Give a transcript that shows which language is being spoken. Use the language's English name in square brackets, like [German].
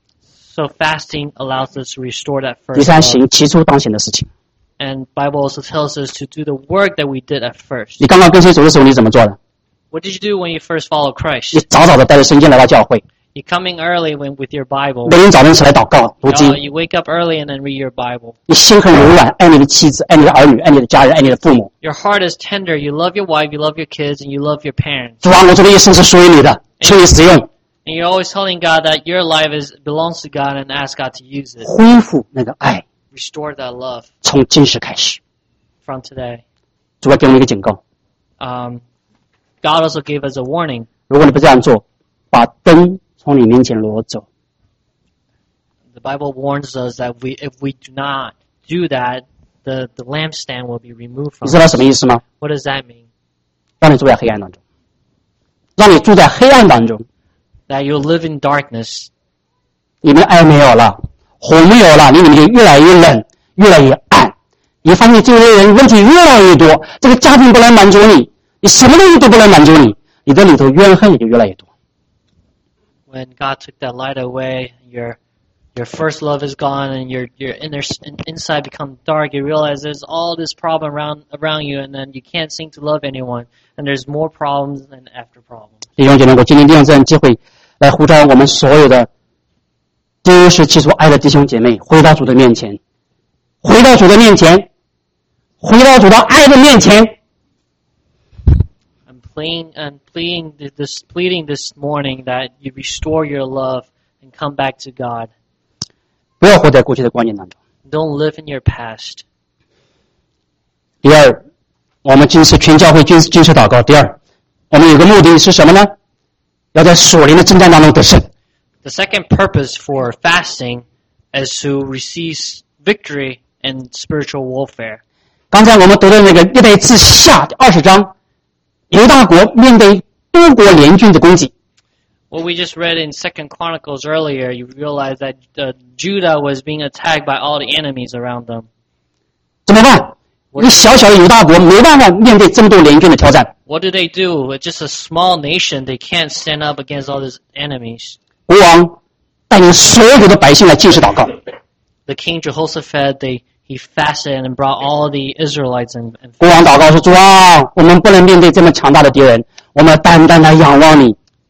[English] So fasting allows us to restore that first. [Chinese] 第三行起初当行的事情。 [English] And Bible also tells us to do the work that we did at first. [Chinese] 你刚刚跟随主的时候你怎么做的？ [English] What did you do when you first followed Christ? [Chinese] 你早早的带着圣经来到教会。 [English] You coming early with your Bible. [Chinese] 每天早晨起来祷告读经。 [English] You wake up early and then read your Bible. [Chinese] 你心很柔软，爱你的妻子，爱你的儿女，爱你的家人，爱你的父母。 [English] Your heart is tender. You love your wife, you love your kids, and you love your parents. [Chinese] 主啊，我这一生是属于你的，求你使用。 [English] And you're always telling God that your life belongs to God and ask God to use it. [Chinese] 恢复那个爱。 [English] Restore that love. [Chinese] 从今时开始。 [English] From today. [Chinese] 主要给我们一个警告。 [English] God also gave us a warning. [Chinese] 如果你不这样做，把灯从你面前挪走。 [English] The Bible warns us that if we do not do that, the lampstand will be removed from us. [Chinese] 你知道什么意思吗？ [English] What does that mean? [Chinese] 让你住在黑暗当中。让你住在黑暗当中。 [English] That you live in darkness. [Chinese] 你们爱没有了。火没有了，你里面就越来越冷，越来越暗。你发现周围人问题越来越多，这个家庭不能满足你，你什么东西都不能满足你，你的里头怨恨也就越来越多。 [English] When God took that light away, your first love is gone, and your inside become dark. You realize there's all this problem around you, and then you can't seem to love anyone, and there's more problems than after problems. [Chinese] 弟兄姐妹，我今天利用这样机会来呼召我们所有的。第一是起初爱的弟兄姐妹回到主的面前，回到主的面前，回到主的爱的面前。 [English] I'm pleading this morning that you restore your love and come back to God. [Chinese] 不要活在过去的观念当中。 [English] Don't live in your past. [Chinese] 第二，我们今次全教会今次祷告。第二，我们有个目的是什么呢？要在属灵的征战当中得胜。 [English] The second purpose for fasting is to receive victory in spiritual warfare. [Chinese] 刚才我们读的那个历代志下第二十章，犹大国面对多国联军的攻击。 [English] What we just read in Second Chronicles earlier, you realize that Judah was being attacked by all the enemies around them. [Chinese] 怎么办？你小小的犹大国没办法面对这么多联军的挑战。 [English] What do they do? Just a small nation, they can't stand up against all these enemies. [Chinese] 国王带领所有的百姓来进食祷告。 [English] The king Jehoshaphat, he fasted and brought all the Israelites in. [Chinese] 国王祷告说：“主啊，我们不能面对这么强大的敌人，我们单单来仰望你。”